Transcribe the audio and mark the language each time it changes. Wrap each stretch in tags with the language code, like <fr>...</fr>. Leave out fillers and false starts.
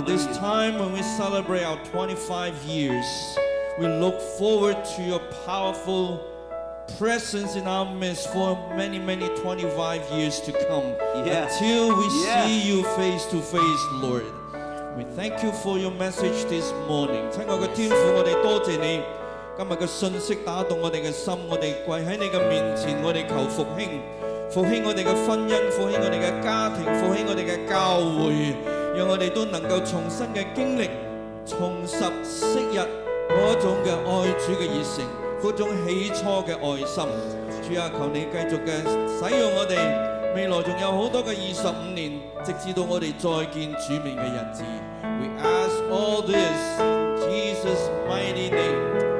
<en>At this time when we celebrate our 25 years, we look forward to your powerful presence in our midst for many, many 25 years to come. Yes. Until we yes. see you face to face, Lord. We thank you for your message this morning.</en> <zh>亲爱的天父，我们多谢你。今天的信息打动我们的心，我们跪在你的面前，我们求复兴。复兴我们的婚姻，复兴我们的家庭，复兴我们的教会，让我们都能够重新的经历，重拾昔日那种的爱主的热诚，那种起初的爱心。主啊，求你继续的使用我们，未来还有很多的25年，直至到我们再见主面的日子。</zh> <en>We ask all this in Jesus mighty name.</en>